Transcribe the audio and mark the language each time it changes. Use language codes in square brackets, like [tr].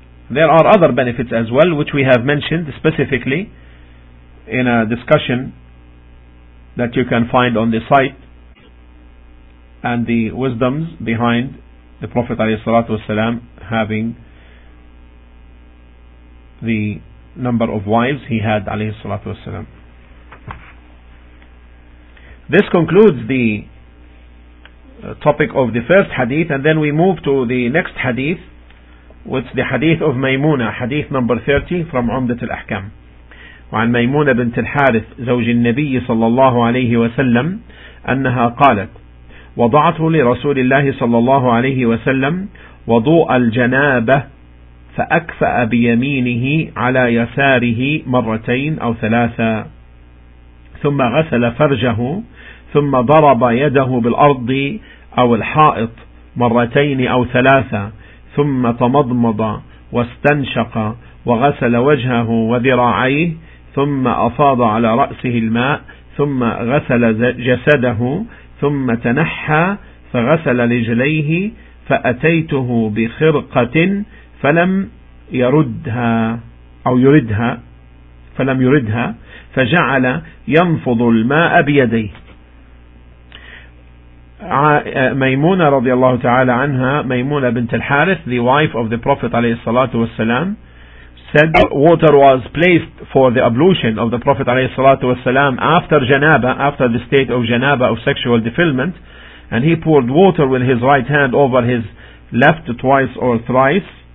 [en] There are other benefits as well, which we have mentioned specifically in a discussion that you can find on the site, and the wisdoms behind the Prophet ﷺ having the number of wives he had ﷺ. This concludes the topic of the first hadith, and then we move to the next hadith, what's the hadith of Maymuna, hadith number 30 from Umdat al-Ahkam. [ar] وعن ميمونة بنت الحارث زوج النبي صلى الله عليه وسلم أنها قالت وضعت لرسول الله صلى الله عليه وسلم وضوء الجنابة فأكفأ بيمينه على يساره مرتين أو ثلاثة ثم غسل فرجه ثم ضرب يده بالأرض أو الحائط مرتين أو ثلاثة ثم تمضمض واستنشق وغسل وجهه وذراعيه ثم أفاض على رأسه الماء ثم غسل جسده ثم تنحى فغسل رجليه فأتيته بخرقة فلم يردها أو يردها فلم يردها فجعل ينفض الماء بيديه. [en] ميمونة [ar] رضي الله تعالى عنها, [en] ميمونة بنت الحارث, the wife of the Prophet [ar] عليه الصلاة والسلام, [en] said water was placed for the ablution of the Prophet [ar] alayhi salatu wasalam [en] after janaba, after the state of janaba of sexual defilement, and he poured water with his right hand over his left twice or thrice,